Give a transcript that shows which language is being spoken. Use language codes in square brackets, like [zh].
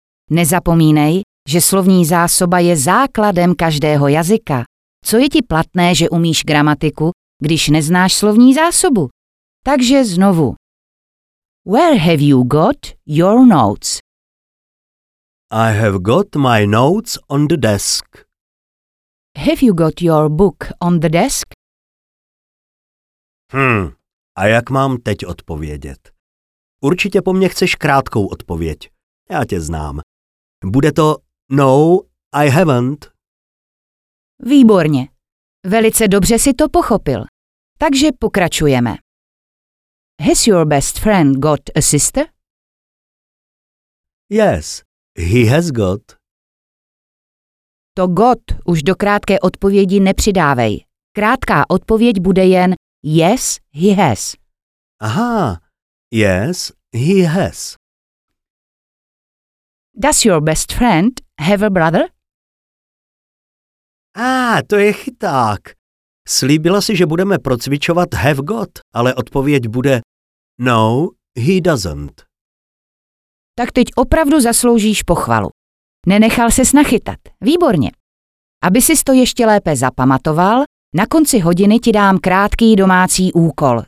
[cs] Nezapomínej, že slovní zásoba je základem každého jazyka. Co je ti platné, že umíš gramatiku, když neznáš slovní zásobu? Takže znovu. [en] Where have you got your notes? I have got my notes on the desk. Have you got your book on the desk? [cs] A jak mám teď odpovědět? Určitě po mně chceš krátkou odpověď. Já tě znám. Bude to [en] no, I haven't. [cs] Výborně. Velice dobře si to pochopil. Takže pokračujeme. [en] Has your best friend got a sister? Yes, he has got. [cs] To got už do krátké odpovědi nepřidávej. Krátká odpověď bude jen [en] yes, he has. Aha, yes, he has. Does your best friend have a brother? [cs] To je chyták. Slíbila si, že budeme procvičovat have got, ale odpověď bude [en] no, he doesn't. [cs] Tak teď opravdu zasloužíš pochvalu. Nenechal ses nachytat. Výborně. Aby sis to ještě lépe zapamatoval, na konci hodiny ti dám krátký domácí úkol.